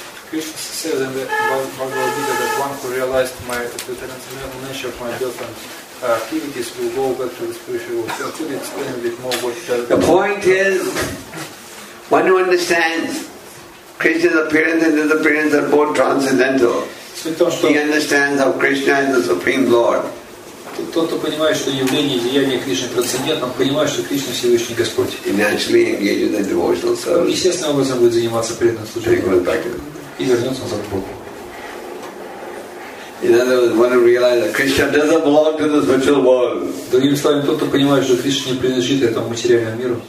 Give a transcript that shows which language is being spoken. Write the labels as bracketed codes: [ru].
[en] Кришна says in the Бхагавад-гите that one who realized my transcendental nature of my different activities will go back to the spiritual world. So could you explain a bit more what the point is, one who understands Krishna's appearance and his appearance are both transcendental. He understands how Krishna is the Supreme Lord. [ru] Тот, кто понимает, что явление и деяние Кришны трансцендентно, понимает, что Кришна Всевышний Господь. [en] И naturally engages in devotional service. [ru] Естественным образом будет заниматься преданным служением. И вернется назад к Богу. [en] In other words, one who realizes that Krishna doesn't belong to this material world. [ru] Другими словами, тот, кто понимает, что Кришна не принадлежит этому материальному миру.